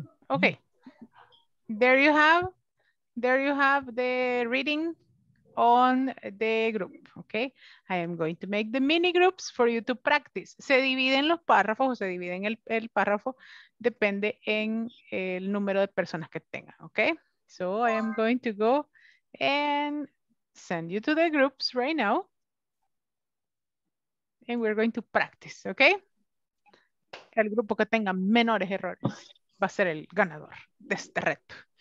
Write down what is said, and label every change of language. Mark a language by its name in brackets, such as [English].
[English] Okay, there you have the reading on the group, okay? I am going to make the mini groups for you to practice. [Spanish] Se dividen los párrafos o se dividen el párrafo, depende en el número de personas que tengan, okay? [English] So I am going to go and send you to the groups right now. And we're going to practice, okay? [Spanish] El grupo que tenga menores errores va a ser el ganador de este reto.